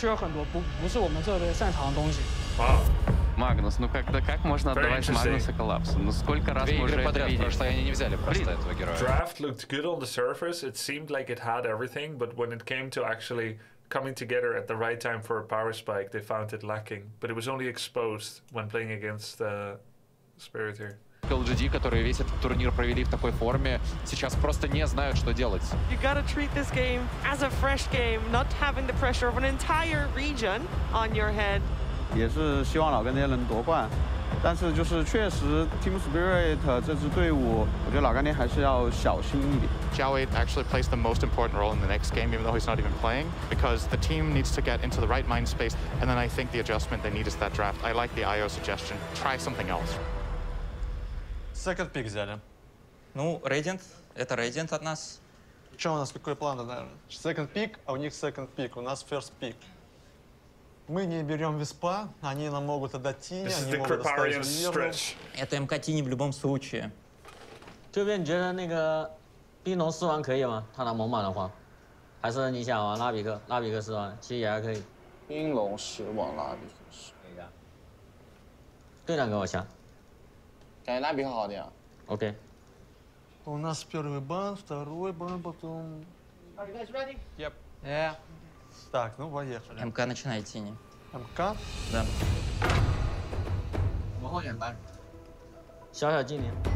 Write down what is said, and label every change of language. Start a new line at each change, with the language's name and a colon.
Chinese: 英雄都太被动了，我们对战打下来，我们擅长什么？一个是进攻，一个是有强势性，这两个是最关键，一个是前期的我们酱油进攻要打好，另外一个就是强势性明显的阵容，我们这我们刚刚那把其实就是不足以这些，所以我们就会很被动。就看起来我们阵容就什么都有都还好，但是其实但是其实就是缺很多，不是我们这边擅长的东西。好。
Russian: Магнус, ну как можно отдавать Магнуса коллапс? Ну сколько раз мы уже это видели? Потому что они не взяли просто этого героя.
English: Draft looked good on the surface. It seemed like it had everything, but when it came to actually coming together at the right time for a power spike, they found it lacking. But it was only exposed when playing against the Spirit here.
Russian: LGD, которые весь этот турнир провели в такой форме, сейчас просто не знают, что делать.
English: You gotta treat this game as a fresh game, not having the pressure of an entire region on your head.
Chinese: 也是希望老干爹能夺冠，但是就是确实 Team Spirit 这支队伍，我觉得老干爹还是要小心一点。Jawade
English: actually plays the most important role in the next game, even though he's not even playing, because the team needs to get into the right mind space, and then I think the adjustment they need is that draft. I like the IO suggestion. Try something else.
Russian: Second pick взяли. Ну, Radiant. Это Radiant от нас. Чем у нас какой план, наверное? Second pick, а у них second pick, у нас first pick. Мы не берем виспа, они нам могут отдать тини, они могут оставить в это МК тини в любом случае.
Chinese: Ты бен觉得那个冰龙四万可以吗？他打猛犸的话，还是你想玩拉比克？拉比克四万，其实也还可以。冰龙四万拉比克四万，对两个我想，感觉拉比克好点。OK.
Russian: У нас первый бан, второй бан, потом...
English: Are you guys ready? Yep. Yeah.
Russian: Так, ну поехали. МК начинает тени. МК? Да. Мы ходим, да? Сейчас я тени.